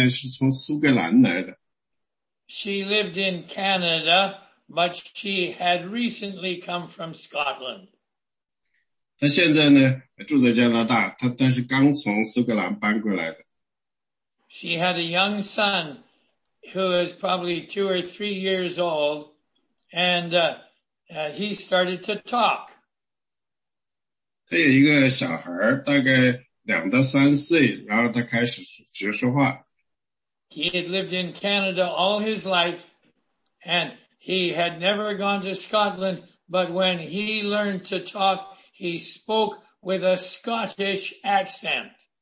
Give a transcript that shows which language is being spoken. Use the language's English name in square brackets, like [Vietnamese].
[Chinese] 所以呢，我有一个朋友，他的太太呢是从苏格兰来的。 [English] She lived in Canada, but she had recently come from Scotland. [Chinese] 她现在呢住在加拿大，她但是刚从苏格兰搬过来的。 [English] She had a young son who is probably 2 or 3 years old, and he started to talk. [Chinese] 她有一个小孩，大概2到3岁，然后她开始学说话。 [English] He had lived in Canada all his life, and he had never gone to Scotland, but when he learned to talk, he spoke with a Scottish accent.